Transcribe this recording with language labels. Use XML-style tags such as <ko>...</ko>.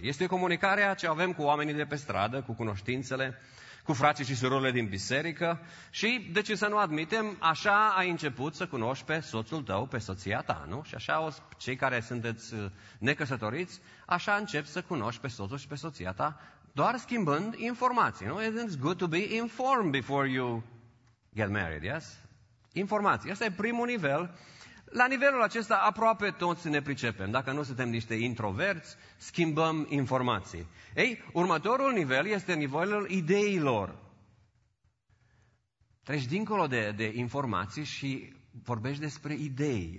<ro>Este comunicarea ce avem cu oamenii de pe stradă, cu cunoștințele, cu frații și surorile din biserică și, de ce să nu admitem, așa ai început să cunoști pe soțul tău, pe soția ta, nu? Și așa cei care sunteți necăsătoriți, așa încep să cunoști pe soțul și pe soția ta, doar schimbând informații, nu?</ro> <en>It's good to be informed before you get married, yes?</en> <ro>Informații. Asta e primul nivel. La nivelul acesta aproape toți ne pricepem. Dacă nu suntem niște introverți, schimbăm informații. Ei, următorul nivel este nivelul ideilor. Treci dincolo de informații și vorbești despre idei.</ro>